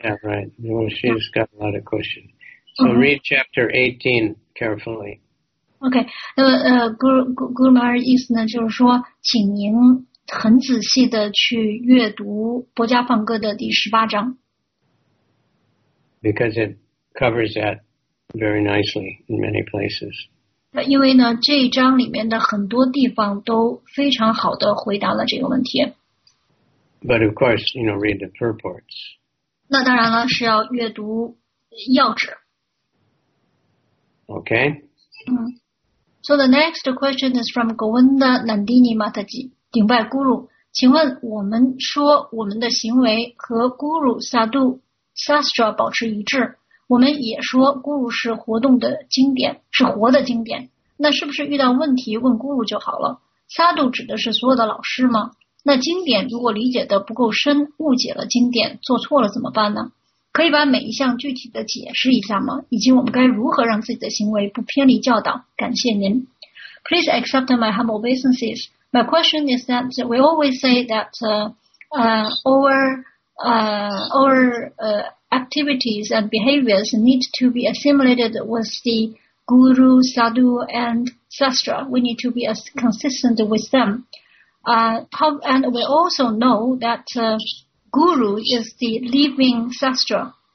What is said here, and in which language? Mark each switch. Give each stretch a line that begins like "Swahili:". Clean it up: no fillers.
English: Yeah, right. Well, she's got a lot of questions. So read chapter 18 carefully.
Chinese: Okay, Guru Maharaj 意思呢就是说请您很仔细的去阅读薄伽梵歌的第十八章。
English: Because it covers that very nicely in many places.
Chinese: 因为呢这一章里面的很多地方都非常好的回答了这个问题。
English: But of course, you know, read the purports.
Chinese: 那当然了是要阅读要旨。
English: Okay. So the next question is from Govinda Nandini Mataji,
Chinese: 顶拜
English: Guru.
Chinese: 请问我们说我们的行为和 Guru Sadhu Sastra 保持一致，我们也说 Guru 是活动的经典，是活的经典。那是不是遇到问题问 Guru 就好了？Sadhu 指的是所有的老师吗？那经典如果理解的不够深，误解了经典，做错了怎么办呢？可以把每一项具体的解释一下吗？以及我们该如何让自己的行为不偏离教导？感谢您。
English: Please accept my humble obeisances. My question is that we always say that our activities and behaviors need to be assimilated with the guru, sadhu, and sastra. We need to be as consistent with them. And we also know that Guru is the living sastra.